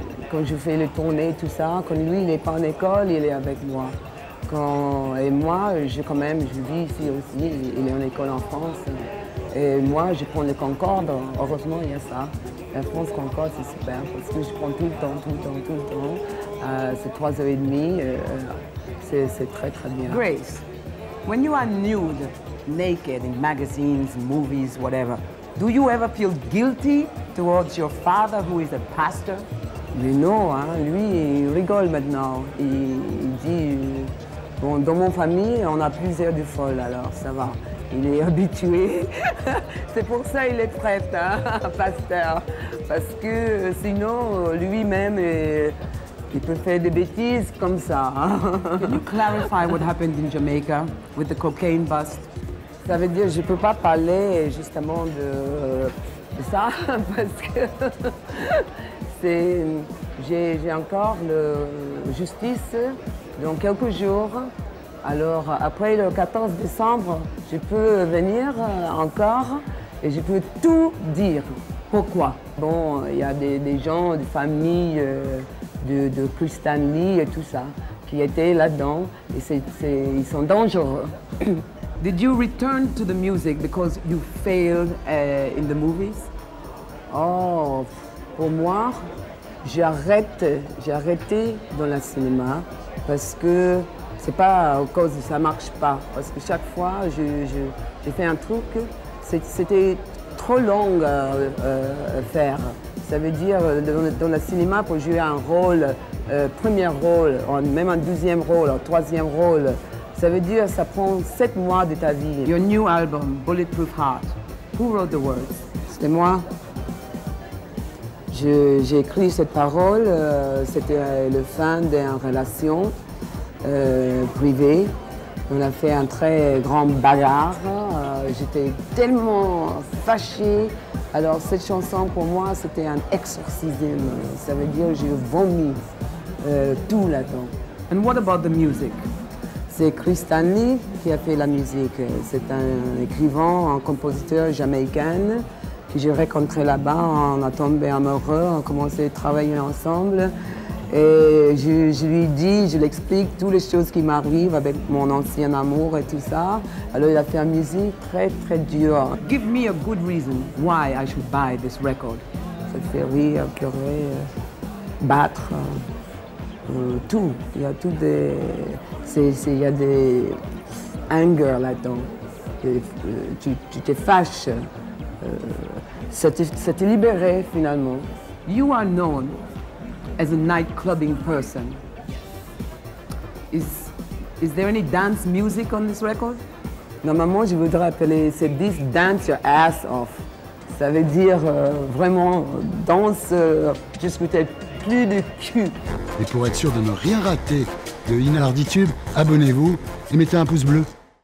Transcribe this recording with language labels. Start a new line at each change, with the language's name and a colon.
French: Quand je fais les tournées, tout ça, quand lui, il n'est pas en école, il est avec moi. Et moi, quand même, je vis ici aussi, il est en école en France. Et moi, je prends le Concorde, heureusement, il y a ça. La France Concorde, c'est super, parce que je prends tout le temps. C'est 3h30, c'est très, très bien.
English: Grace, when you are nude, naked in magazines, movies, whatever, do you ever feel guilty towards your father who is a pastor?
French: Mais non, hein, lui, il rigole maintenant. Il dit, bon, dans mon famille, on a plusieurs du fol, alors ça va. Il est habitué. C'est pour ça qu'il est prêtre, hein, pasteur. Parce que sinon, lui-même, Il peut faire des bêtises comme ça.
English: Can you clarify what happened in Jamaica with the cocaine bust?
French: Ça veut dire que je ne peux pas parler justement de ça parce que c'est, j'ai encore la justice dans quelques jours. Alors après le 14 décembre, je peux venir encore et je peux tout dire. Pourquoi? Bon, il y a des gens, des familles de Christian Lee et tout ça qui étaient là-dedans et ils sont dangereux.
English: Did you return to the music because you failed in the movies?
French: Oh, pour moi, j'ai arrêté dans le cinéma parce que c'est pas à cause de ça marche pas. Parce que chaque fois, j'ai fait un truc, c'était trop long à faire. Ça veut dire, dans le cinéma, pour jouer un rôle, premier rôle, même un deuxième rôle, un troisième rôle, ça veut dire ça prend 7 mois de ta vie.
English: Your new album, Bulletproof Heart, who wrote the words?
French: C'était moi. J'ai écrit cette parole, c'était la fin d'une relation privée. On a fait un très grand bagarre. J'étais tellement fâchée. Alors cette chanson pour moi, c'était un exorcisme. Ça veut dire que j'ai vomi tout là-dedans.
English: And what about the music?
French: C'est Chris Stanley qui a fait la musique. C'est un écrivain, un compositeur jamaïcain que j'ai rencontré là-bas. On a tombé amoureux, on a commencé à travailler ensemble. Et je lui dis, je lui explique toutes les choses qui m'arrivent avec mon ancien amour et tout ça. Alors il a fait une musique très très dure.
English: Give me a good reason why I should buy this record.
French: Ça fait rire, pleurer, battre. Tout, il y a tout des, il y a des anger là-dedans, tu te fâches, ça te libère finalement.
English: You are known as a night clubbing person. Is there any dance music on this record?
French: Normalement, je voudrais appeler ce disque
English: dance your ass off.
French: Ça veut dire vraiment danse jusqu'où t'es plus de cul. Et pour être sûr de ne rien rater de Inarditude, abonnez-vous et mettez un pouce bleu.